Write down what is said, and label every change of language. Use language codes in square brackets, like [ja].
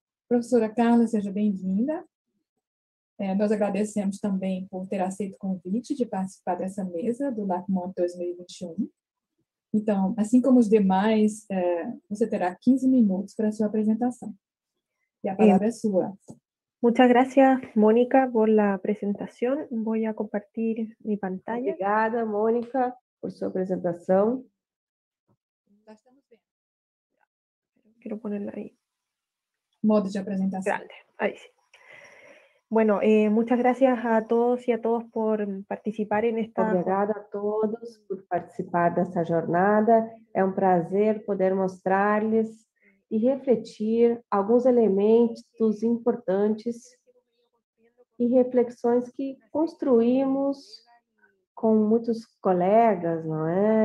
[pt] Professora Carla, seja bem-vinda. Nós agradecemos também por ter aceito o convite de participar dessa mesa do LACMONT 2021. Então, assim como os demais, você terá 15 minutos para a sua apresentação. E a palavra é sua. [es] Muchas gracias, Mónica, por la presentación. Voy a compartir mi pantalla. [pt] Obrigada, Mónica, por sua apresentação. [es] Quiero ponerla ahí. [pt] Modo de apresentação. [es] Grande, ahí sí. Bueno, muchas gracias a todos y a todas por participar en esta... [pt] Obrigada a todos por participar dessa jornada. É um prazer poder mostrar-lhes e refletir alguns elementos importantes e reflexões que construímos com muitos colegas, não é?